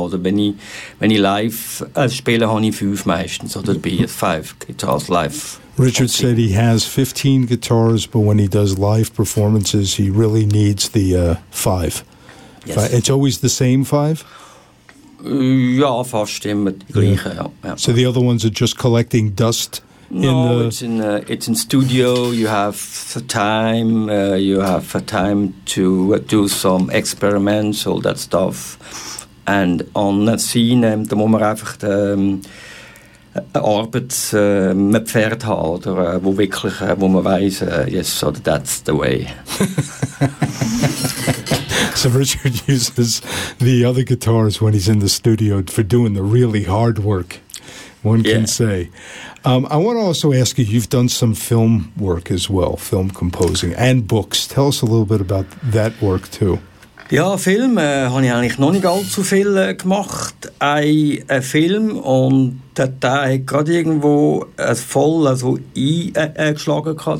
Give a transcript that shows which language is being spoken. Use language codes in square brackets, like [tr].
[de] Oder wenn ich live spiele, habe ich 5 meistens. Oder bei 5 guitars live. [en] Richard said he has 15 guitars, but when he does live performances, he really needs the 5. Yes. It's always the same 5? [de] Ja, fast immer die gleiche, ja. [en] So the other ones are just collecting dust? It's in studio. You have the time. You have the time to do some experiments, all that stuff. And on the scene, [de] da muss man einfach Arbeits mit Pferd haben, oder wo wirklich, wo man weiß, [en] yes, so that's the way. So Richard uses the other guitars when he's in the studio for doing the really hard work. one can say. I want to also ask you, you've done some film work as well, film composing and books. Tell us a little bit about that work too. [de] Ja, Film habe ich eigentlich noch nicht allzu viel gemacht. Ein Film, und der hat gerade irgendwo voll also eingeschlagen gehabt.